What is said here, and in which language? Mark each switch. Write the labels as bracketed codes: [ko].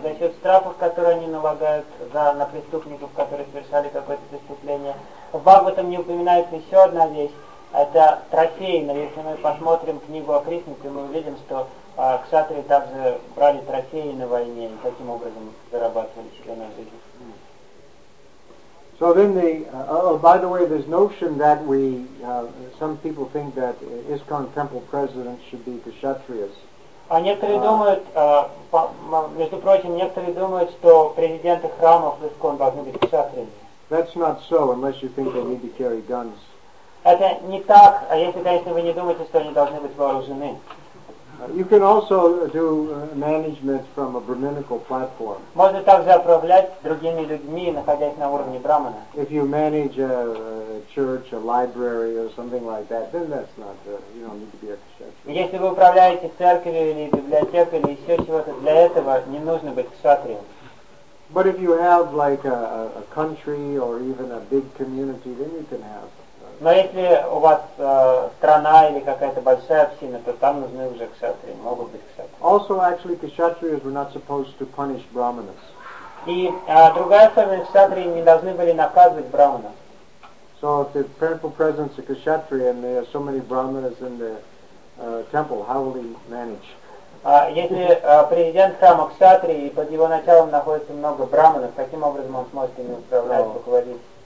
[ru] За счет штрафов, которые они налагают на преступников, которые совершали какое-то преступление. В Бхагаватам не упоминается еще одна вещь. Это трофеи. Но если мы посмотрим книгу о Кришне, то мы увидим, что кшатрии также брали трофеи на войне и таким образом зарабатывали себе на жизнь. [en] So then the, by the way, this notion that we, some people think that ISKCON temple president should be kshatriyas. [ru] А некоторые думают, между прочим, некоторые думают, что президенты храмов в ISKCON должны быть кшатриями. [en] That's not so, unless you think they need to carry guns. [ru] Это не так, а если, конечно, вы не думаете, что они должны быть вооружены. [en] You can also do management from a brahminical platform. [ru] Можно также управлять другими людьми, находясь на уровне брахмана. [en] If you manage a church, a library, or something like that, then that's not you don't need to be a kshatriya. [ru] Если вы управляете церковью или библиотекой или еще чего-то, для этого не нужно быть кшатрием. [en] But if you have like a country or even a big community, then you can have. [ru] Но если у вас страна или какая-то большая община, то там нужны уже кшатрии, могут быть кшатрии. [en] Also, actually, kshatriyas were not supposed to punish brahmanas. [ru] И другая особенность, кшатрии не должны были наказывать брахмана. [en] So, if the temple president's a kshatriya and there are so many brahmanas in the temple, how will he manage? [ru] Если президент храма кшатрии и под его началом находится много брахманов, каким образом он сможет ими управлять, руководить?